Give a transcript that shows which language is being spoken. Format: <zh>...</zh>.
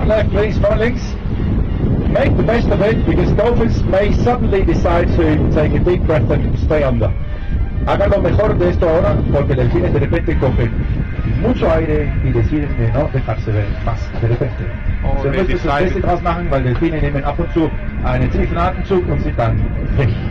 <en>Life please, Fightlings. Make the best of it, because Dolphins may suddenly decide to take a deep breath and stay under.</en> <es>Hagan lo mejor de esto ahora, porque Delfines de repente cogen mucho aire y deciden de no dejarse ver más de repente.</es> <de>Sie müssen das Beste draus machen, weil Delfine nehmen ab und zu einen tiefen Atemzug und sind dann weg.</de>